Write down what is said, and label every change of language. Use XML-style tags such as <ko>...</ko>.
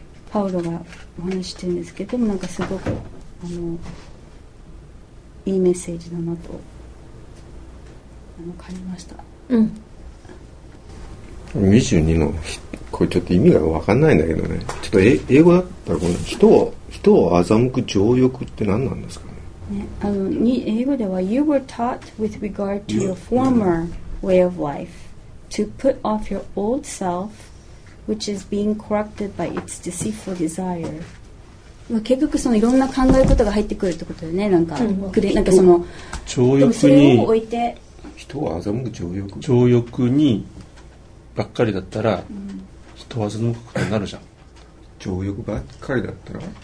<ja>パウロがお話してるんですけども、なんかすごくいいメッセージだなと感じました。うん、 22のこれちょっと意味が分かんないんだけどね。ちょっと英語だったらこの人を欺く情欲って何なんですか ね英語では</ja> <en>You were taught with regard to your former way of life to put off your old selfwhich is being corrupted by its deceitful desire。</en> <ja>結局そのいろんな考え方が入ってくるってことだよね。なんか、なんかその情欲に、でもそれを置いて人を欺く情欲、情欲にばっかりだったら、人を欺くことになるじゃん。情欲ばっかりだったら、</ja>